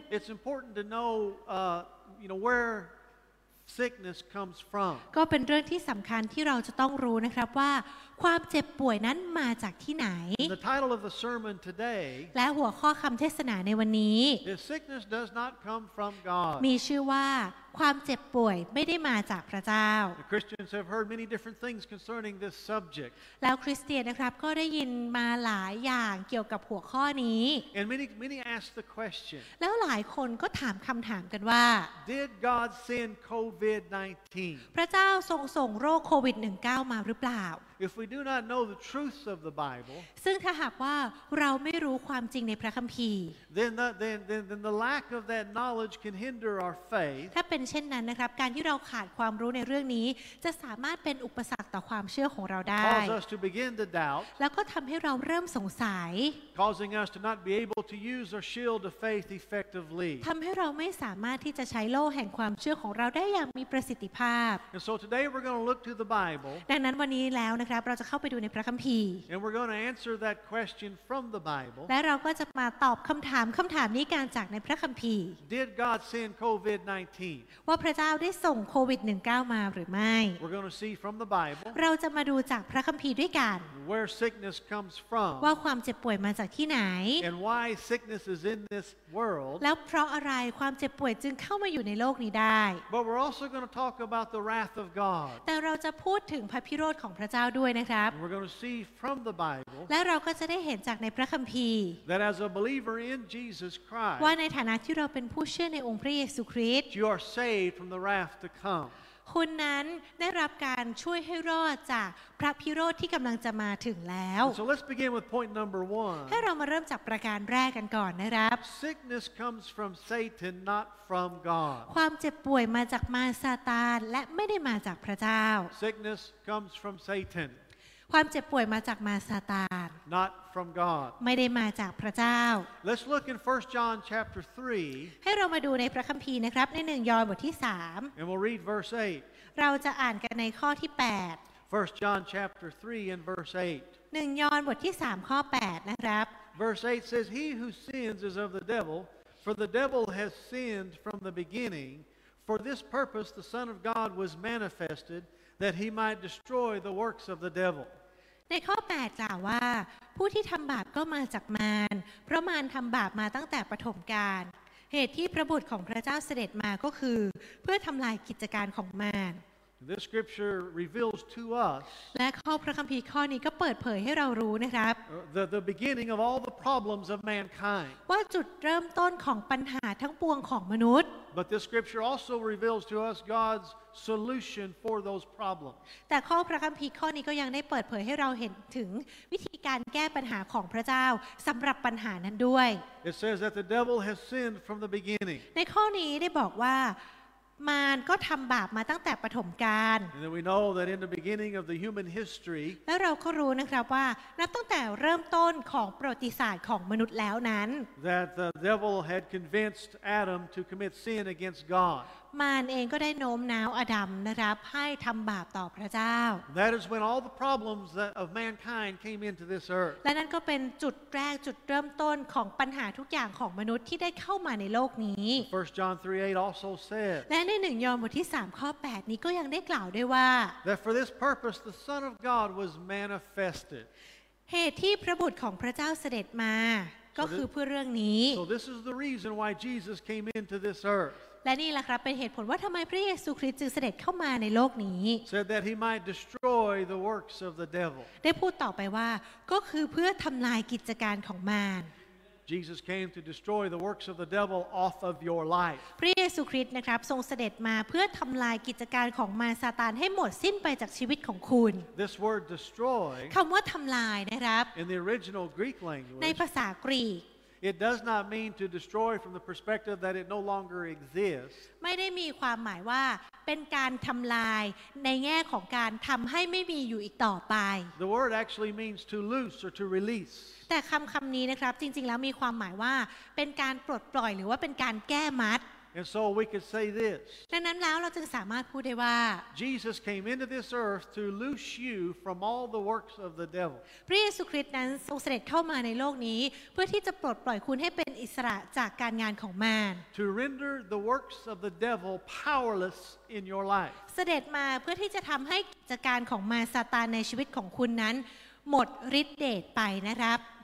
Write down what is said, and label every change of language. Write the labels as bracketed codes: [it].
[en] It's important to know where sickness comes from. [th] ก็เป็นเรื่องที่สำคัญที่เราจะต้องรู้นะครับว่าความเจ็บป่วยนั้นมาจากที่ไหน [en] The title of the sermon today [th] และหัวข้อคำเทศนาในวันนี้ [en] Is sickness does not come from God [th] มีชื่อว่าความเจ็บป่วยไม่ได้มาจากพระเจ้า [en] The Christians have heard many different things concerning this subject [th] แล้วคริสเตียนนะครับก็ได้ยินมาหลายอย่างเกี่ยวกับหัวข้อนี้ [en] And many ask the question [th] แล้วหลายคนก็ถามคำถามกันว่า [en] Did God send COVID-19 [th] พระเจ้าทรงส่งโรคโควิด-19 มาหรือเปล่า [en] If we do not know the truths of the Bible, [th] ซึ่งถ้าหากว่าเราไม่รู้ความจริงในพระคัมภีร์ [en] then the lack of that knowledge can hinder our faith. [th] ถ้าเป็นเช่นนั้นนะครับการที่เราขาดความรู้ในเรื่องนี้จะสามารถเป็นอุปสรรคต่อความเชื่อของเราได้ [en] Cause us to begin to doubt. [th] แล้วก็ทำให้เราเริ่มสงสัย [en] Causing us to not be able to use our shield of faith effectively. [th] ทำให้เราไม่สามารถที่จะใช้โล่แห่งความเชื่อของเราได้อย่างมีประสิทธิภาพ [en] And so today we're going to look to the Bible. [th] ดังนั้นวันนี้แล้วนะครับเราจะเข้าไปดูในพระคัมภีร์ [en] And we're going to answer that question from the Bible [th] และเราก็จะมาตอบคำถามนี้กันจากในพระคัมภีร์ [en] Did God send COVID-19 [th] ว่าพระเจ้าได้ส่งโควิด-19 มาหรือไม่ [en] We're going to see from the Bible [th] เราจะมาดูจากพระคัมภีร์ด้วยกัน [en] Where sickness comes from [th] ว่าความเจ็บป่วยมาจากที่ไหน [en] And why sickness is in this world [th] แล้วเพราะอะไรความเจ็บป่วยจึงเข้ามาอยู่ในโลกนี้ได้ [en] But we're also going to talk about the wrath of God [th] แต่เราจะพูดถึงพระพิโรธของพระเจ้าด้วยนะครับ [en] We're going to see from the Bible [th] และเราก็จะได้เห็นจากในพระคัมภีร์ [en] That as a believer in Jesus Christ [th] ว่าในฐานะที่เราเป็นผู้เชื่อในองค์พระเยซูคริสต์ [en] You are saved from the wrath to come [th] คุณนั้นได้รับการช่วยให้รอดจากพระพิโรธที่กำลังจะมาถึงแล้ว [en] So let's begin with point number one [th] ให้เรามาเริ่มจากประการแรกกันก่อนนะครับ [en] Sickness comes from Satan not from God [th] ความเจ็บป่วยมาจากมารซาตานและไม่ได้มาจากพระเจ้า [en] Sickness comes from Satan [th] ความเจ็บป่วยมาจากมารซาตาน [en] not from God [th] ไม่ได้มาจากพระเจ้า [en] Let's look in 1 John chapter 3 [th] ให้เรามาดูในพระคัมภีร์นะครับใน1ยอห์นบทที่3 [en] And we'll read verse 8 [th] เราจะอ่านกันในข้อที่8 [en] 1 John chapter 3 and verse 8 [th] 1ยอห์นบทที่3ข้อ8นะครับ [en] Verse 8 says he who sins is of the devil for the devil has sinned from the beginning for this purpose the son of God was manifested that he might destroy the works of the devil [th] ในข้อ8กล่าวว่า ผู้ที่ทำบาปก็มาจากมารเพราะมารทำบาปมาตั้งแต่ปฐมกาลเหตุที่พระบุตรของพระเจ้าเสด็จมาก็คือเพื่อทำลายกิจการของมาร [en] This scripture reveals to us [th] และข้อพระคัมภีร์ข้อนี้ก็เปิดเผยให้เรารู้นะครับ [en] the beginning of all the problems of mankind [th] ว่าจุดเริ่มต้นของปัญหาทั้งปวงของมนุษย์ [en] But this scripture also reveals to us God's solution for those problems [th] แต่ข้อพระคัมภีร์ข้อนี้ก็ยังได้เปิดเผยให้เราเห็นถึงวิธีการแก้ปัญหาของพระเจ้าสำหรับปัญหานั้นด้วย [en] It says that the devil has sinned from the beginning [th] ในข้อนี้ได้บอกว่ามารก็ทำบาปมาตั้งแต่ปฐมกาล [en] And then we know that in the beginning of the human history [th] แล้วเราก็รู้นะครับว่านับตั้งแต่เริ่มต้นของประวัติศาสตร์ของมนุษย์แล้วนั้น [en] that the devil had convinced Adam to commit sin against God [th] มารเองก็ได้โน้มน้าวอดัมนะครับให้ทำบาปต่อพระเจ้า [en] that is when all the problems of mankind came into this earth [th] และนั่นก็เป็นจุดแรกจุดเริ่มต้นของปัญหาทุกอย่างของมนุษย์ที่ได้เข้ามาในโลกนี้ [en] 1 John 3:8 also said [th] และใน1 ยอห์นบทที่ 3:8นี้ก็ยังได้กล่าวด้วยว่า [en] that for this purpose the Son of God was manifested [th] เหตุที่พระบุตรของพระเจ้าเสด็จมาก็คือเพื่อเรื่องนี้ [en] so this is the reason why Jesus came into this earth [th] และนี่แหละครับเป็นเหตุผลว่าทำไมพระเยซูคริสต์จึงเสด็จเข้ามาในโลกนี้ [en] Said that he might destroy the works of the devil [th] ได้พูดต่อไปว่าก็คือเพื่อทำลายกิจการของมาร [en] Jesus came to destroy the works of the devil off of your life [th] พระเยซูคริสต์นะครับทรงเสด็จมาเพื่อทำลายกิจการของมารซาตานให้หมดสิ้นไปจากชีวิตของคุณ [en] This word destroy [th] คำว่าทำลายนะครับ [en] In the original Greek language [th] ในภาษากรีก [en] It does not mean to destroy from the perspective that it no longer exists. [th] ไม่ได้มีความหมายว่าเป็นการทำลายในแง่ของการทำให้ไม่มีอยู่อีกต่อไป [en] The word actually means to loose or to release. [th] แต่คำนี้นะครับจริงๆแล้วมีความหมายว่าเป็นการปลดปล่อยหรือว่าเป็นการแก้มัด [en] And so we could say this. [th] ดังนั้นแล้วเราจึงสามารถพูดได้ว่า [en] Jesus came into this earth to loose you from all the works of the devil. [th] พระเยซูคริสต์นั้นทรงเสด็จเข้ามาในโลกนี้เพื่อที่จะปลดปล่อยคุณให้เป็นอิสระจากการงานของมาร [en] To render the works of the devil powerless in your life. [th] เสด็จมาเพื่อที่จะทำให้กิจการของมารซาตานในชีวิตของคุณนั้นหมดฤทธิ์เดชไปนะครับ